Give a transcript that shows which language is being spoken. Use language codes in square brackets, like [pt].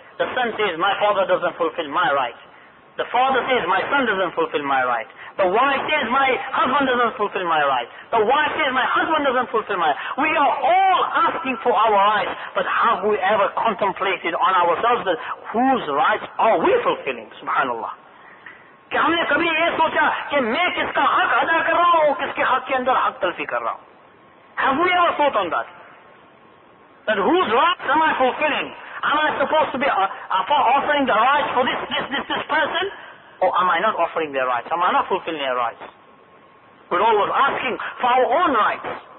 [en] The son says, my father doesn't fulfill my right. The father says, my son doesn't fulfill my right. The wife says, my husband doesn't fulfill my right. The wife says, my husband doesn't fulfill my right. We are all asking for our rights, but have we ever contemplated on ourselves that whose rights are we fulfilling? Subhanallah. [ur] کہ ہم نے کبھی یہ سوچا کہ میں کس کا حق ادا کر رہا ہوں اور کس کے حق کے اندر حق تلفی کر رہا ہوں. [en] Have we ever thought on that? That whose rights am I fulfilling? Am I supposed to be offering the rights for this person? Or am I not offering their rights? Am I not fulfilling their rights? We're always asking for our own rights.